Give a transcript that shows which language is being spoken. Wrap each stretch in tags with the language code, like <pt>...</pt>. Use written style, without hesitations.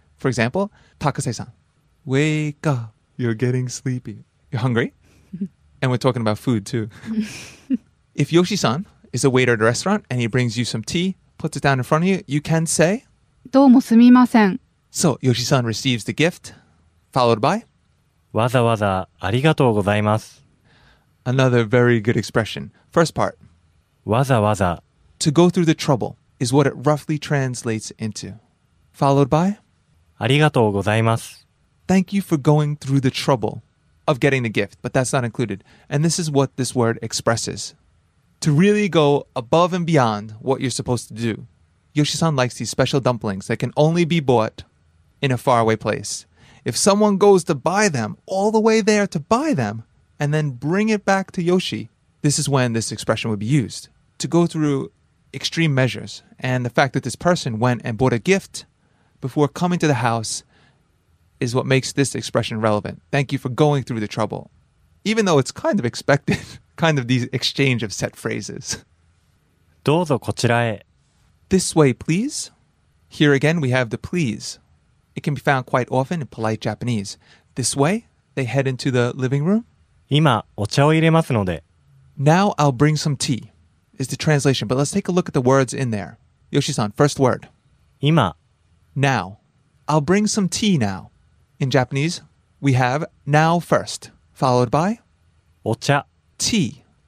<en>For example, Takase-san, wake up. You're getting sleepy. You're hungry? And we're talking about food too. If Yoshi-san is a waiter at a restaurant and he brings you some tea, puts it down in front of you, you can say,</en> <ja>どうもすみません。</ja> <en>So Yoshi-san receives the gift, followed by,</en> <ja>わざわざありがとうございます。</ja> <en>Another very good expression. First part,</en> <ja>わざわざ。</ja> <en>To to go through the trouble is what it roughly translates into. Followed by,</en> <ja>ありがとうございます。</ja> <en>Thank you for going through the trouble of getting the gift, but that's not included. And this is what this word expresses. To really go above and beyond what you're supposed to do, Yoshi-san likes these special dumplings that can only be bought in a faraway place. If someone goes to buy them, all the way there to buy them, and then bring it back to Yoshi, this is when this expression would be used. To go through extreme measures, and the fact that this person went and bought a gift before coming to the house is what makes this expression relevant. Thank you for going through the trouble. Even though it's kind of expected, kind of these exchange of set phrases.</en> <ja>どうぞこちらへ。</ja> <en>This way, please. Here again, we have the please. It can be found quite often in polite Japanese. This way, they head into the living room.</en> <ja>今、お茶を入れますので。</ja> <en>Now I'll bring some tea, is the translation. But let's take a look at the words in there. Yoshi-san, first word.</en> <ja>今。</ja> <en>Now. I'll bring some tea now. In Japanese, we have now first, followed by</en> <ja>お茶。</ja> <en>Tea.</en>